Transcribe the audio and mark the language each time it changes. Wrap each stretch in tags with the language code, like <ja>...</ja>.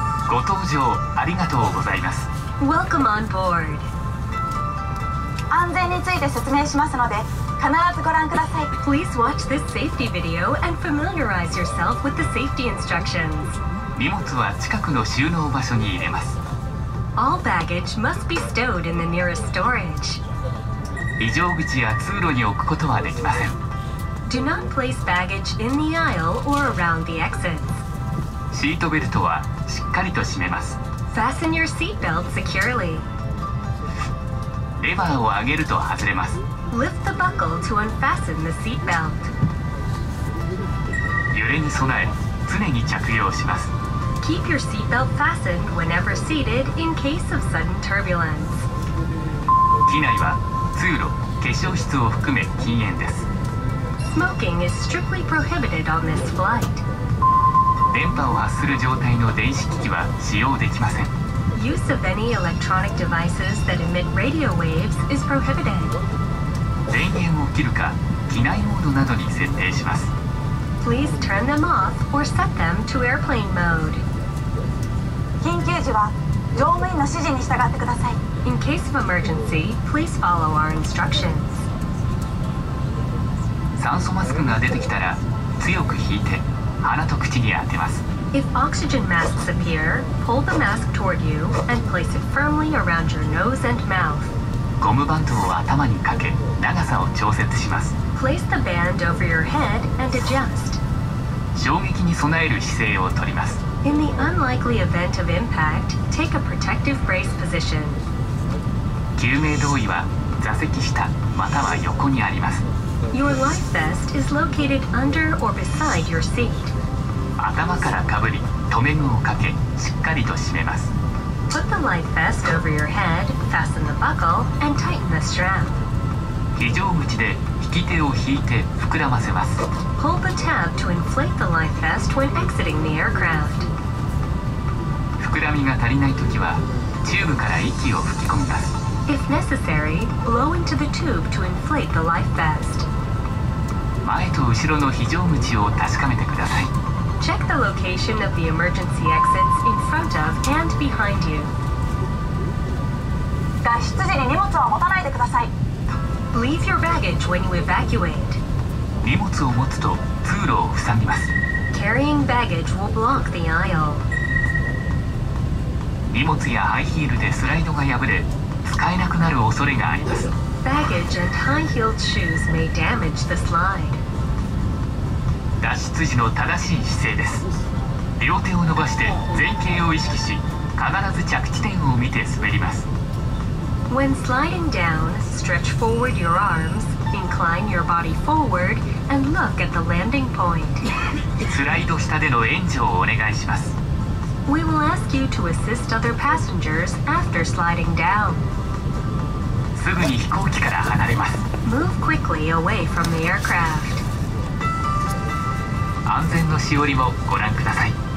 <ja>ご搭乗ありがとうございます。</ja> <en>Welcome on board.</en> <ja>安全について説明しますので必ずご覧ください。</ja> <en>Please watch this safety video and familiarize yourself with the safety instructions.</en> <ja>荷物は近くの収納場所に入れます。</ja> <en>All baggage must be stowed in the nearest storage.</en> <ja>非常口や通路に置くことはできません。</ja> <en>Do not place baggage in the aisle or around the exits.</en> <ja>シートベルトはしっかりと締めます。</ja> <en>Fasten your seatbelt securely.</en> <ja>レバーを上げると外れます。</ja> <en>Lift the buckle to unfasten the seatbelt.</en> <ja>揺れに備え常に着用します。</ja> <en>Keep your seatbelt fastened whenever seated in case of sudden turbulence.</en> <ja>機内は通路、化粧室を含め禁煙です。</ja> <en>Smoking is strictly prohibited on this flight.</en> <ja>電波を発する状態の電子機器は使用できません。</ja> <en>Use of any electronic devices that emit radio waves is prohibited.</en> <ja>電源を切るか機内モードなどに設定します。</ja> <en>Please turn them off or set them to airplane mode.</en> <ja>緊急時は乗務員の指示に従ってください。</ja> <en>In case of emergency, please follow our instructions.</en> <ja>酸素マスクが出てきたら強く引いて鼻と口に当てます。</ja> <en>If oxygen masks appear, pull the mask toward you and place it firmly around your nose and mouth.</en> <ja>ゴムバンドを頭にかけ長さを調節します。</ja> <en>Place the band over your head and adjust.</en> <ja>衝撃に備える姿勢をとります。</ja> <en>In the unlikely event of impact, take a protective brace position.</en> <ja>救命胴衣は座席下または横にあります。</ja> <en>Your life vest is located under or beside your seat.</en> <ja>頭からかぶり、留め具をかけ、しっかりと締めます。</ja> <en>Put the life vest over your head, fasten the buckle, and tighten the strap.</en> <ja>非常口で引き手を引いて膨らませます。</ja> <en>Pull the tab to inflate the life vest when exiting the aircraft.</en> <ja>膨らみが足りないときは、チューブから息を吹き込みます。</ja> <en>If necessary, blow into the tube to inflate the life vest.</en> <ja>前と後ろの非常口を確かめてください。</ja> <en>Check the location of the emergency exits in front of and behind you.</en> <ja>脱出時に荷物は持たないでください。</ja> <en>Leave your baggage when you evacuate.</en> <ja>荷物を持つと通路を塞ぎます。</ja> <en>Carrying baggage will block the aisle.</en> <ja>荷物やハイヒールでスライドが破れ、使えなくなる恐れがあります。</ja> <en>Baggage and high-heeled shoes may damage the slide.</en> <ja>脱出時の正しい姿勢です。両手を伸ばして前傾を意識し、必ず着地点を見て滑ります。</ja> <en>When sliding down, stretch forward your arms, incline your body forward, and look at the landing point.</en> <ja>スライド下での援助をお願いします。</ja> <en>We will ask you to assist other passengers after sliding down.</en> <ja>すぐに飛行機から離れます。</ja> <en>Move quickly away from the aircraft.</en> <ja>安全のしおりもご覧ください。</ja>